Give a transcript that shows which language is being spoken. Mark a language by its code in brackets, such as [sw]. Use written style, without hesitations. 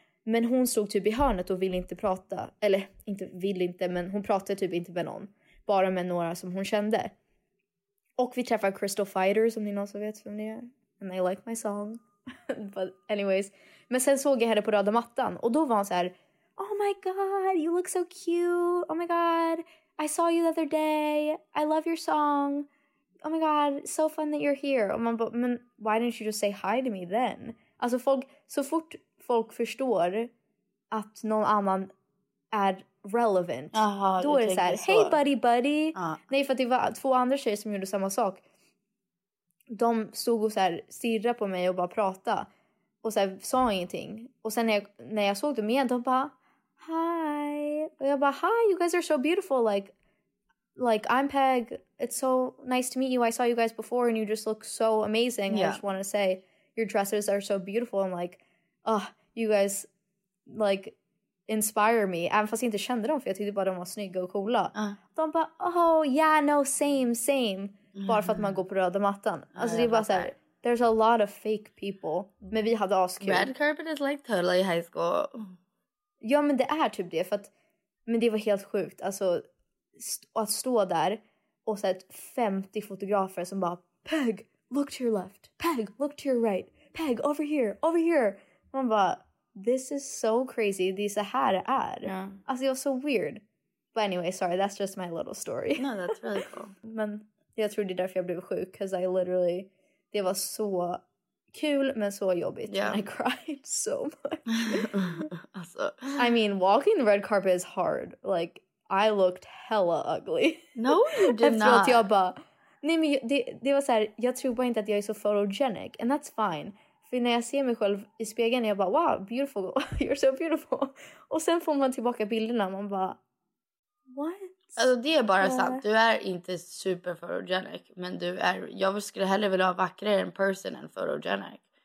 [sv] Men hon stod typ i hörnet och ville inte prata. Eller, inte vill inte, men hon pratade typ inte med någon. Bara med några som hon kände. Och vi träffade Crystal Fighters, om ni någon som vet vem det är. [en] And I like my song. But anyways. [sv] Men sen såg jag henne på röda mattan. Och då var hon så här, [en] oh my god, you look so cute. Oh my god, I saw you the other day. I love your song. Oh my god, so fun that you're here. [sv] Och man bara, men [en] why didn't you just say hi to me then? [sv] Alltså folk, så fort folk förstår att någon annan är relevant. Aha, då är det såhär, [en] hey buddy buddy. Ah. [sv] Nej, för att det var två andra tjejer som gjorde samma sak. De stod och såhär stirrade på mig och bara pratade. Och såhär sa ingenting. Och sen när jag såg dem igen, de bara, hi. Och jag bara, [en] hi, you guys are so beautiful, like I'm Peg, it's so nice to meet you. I saw you guys before and you just look so amazing. Yeah. I just want to say your dresses are so beautiful. I'm like, oh, you guys, like, inspire me. [sv] Även fast jag inte kände dem, för jag tyckte bara de var snygga och coola. De bara, [en] oh yeah, no, same, same. [sv] Bara för att man går på röda mattan. Alltså det är bara så här, [en] there's a lot of fake people. [sv] Men vi hade askul. [en] Red carpet is like totally high school. [sv] Ja, men det är typ det. För att, men det var helt sjukt. Alltså att stå där och så här 50 fotografer som bara, [en] Peg, look to your left. Peg, look to your right. Peg, over here, over here. [sv] Man bara, [en] this is so crazy. [sv] Det är så här det är. [en] Yeah. [sv] Alltså det var så weird. [en] But anyway, sorry, that's just my little story. No, that's really cool. [sv] Men jag tror det är därför jag blev sjuk. [en] Because I literally, [sv] det var så kul men så jobbigt. [en] Yeah. And I cried so much. [sv] Alltså. [en] I mean, walking the red carpet is hard. Like, I looked hella ugly. No, you did not. [sv] Efteråt jag bara, nej men det var så här, jag tror bara inte att jag är så photogenic. [en] And that's fine. [sv] För när jag ser mig själv i spegeln, jag bara, [en] wow, beautiful, you're so beautiful. [sv] Och sen får man tillbaka bilderna, man bara, what? Alltså det är bara sant, du är inte super photogenic, men du är, jag skulle hellre vilja ha vackrare in person än photogenic.